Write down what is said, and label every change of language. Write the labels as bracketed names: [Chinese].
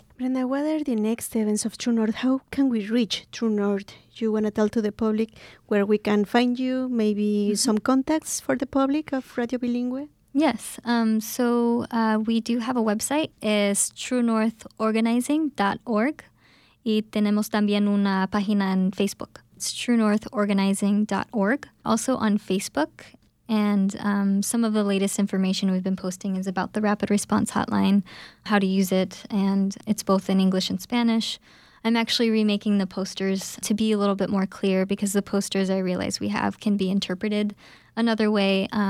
[English] Brenda, what are the next events of True North? How can we reach True North? You want to tell to the public where we can find you, maybe mm-hmm. some contacts for the public of Radio Bilingüe? Yes. We do have a website. It's truenorthorganizing.org. [Spanish] Y tenemos también una página en Facebook. [English] It's truenorthorganizing.org. Also on Facebook. And some of the latest information we've been posting is about the rapid response hotline, how to use it, and it's both in English and Spanish. I'm actually remaking the posters to be a little bit more clear, because the posters I realize we have can be interpreted another way.